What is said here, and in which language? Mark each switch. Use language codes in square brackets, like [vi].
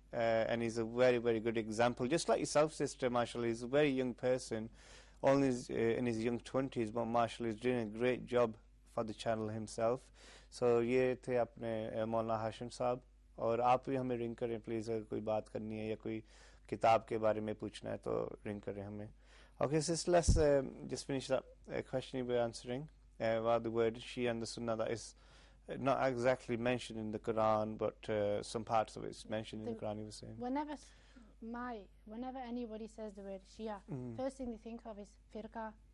[en] And he's a very, very good example. Just like yourself, sister, mashallah, he's a very young person, only in his young 20s, but mashallah, he's doing a great job for the channel himself. [ur] سو، یہ تھے اپنے مولانا ہاشم صاحب، اور آپ بھی ہمے رنگ کرے، پلیز، اگر کوئی بات کرنی ہے یا کوئی کتاب کے بارے میں پوچھنا ہے، تو رنگ کرے ہمے۔ [en] Okay, sister, let's just finish that question you were answering about the word Shia and the Sunnah that is not exactly mentioned in the Quran, but some parts of it is mentioned in the Quran, you were saying. Whenever anybody says the word Shia, first thing they think of is firqa.